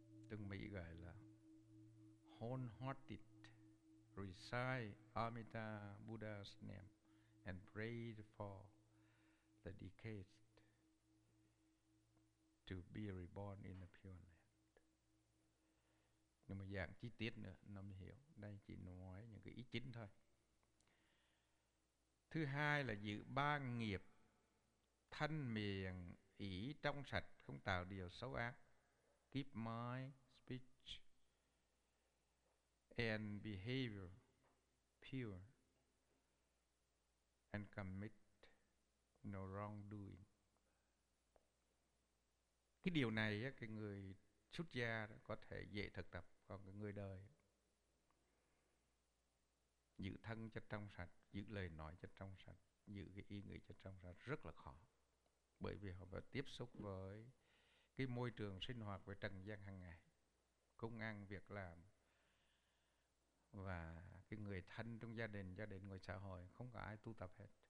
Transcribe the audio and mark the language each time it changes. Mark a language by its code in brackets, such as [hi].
[vi] Tương Mỹ gọi là [en] wholehearted recite Amitabha Buddha's name and pray for the deceased to be reborn in the Pure Land. [vi] Nhưng mà dạng chi tiết nữa nó mới hiểu. Đây chỉ nói những cái ý chính thôi. Thứ hai là giữ ba nghiệp thanh miệng, ý trong sạch, không tạo điều xấu ác. [en] Keep my speech and behavior pure and commit no wrongdoing. [vi] Cái điều này á, cái người xuất gia có thể dễ thực tập, còn cái người đời giữ thân cho trong sạch, giữ lời nói cho trong sạch, giữ cái ý nghĩ cho trong sạch rất là khó, bởi vì họ phải tiếp xúc với cái môi trường sinh hoạt về trần gian hàng ngày, công ăn việc làm, và cái người thân trong gia đình ngoài xã hội không có ai tu tập hết.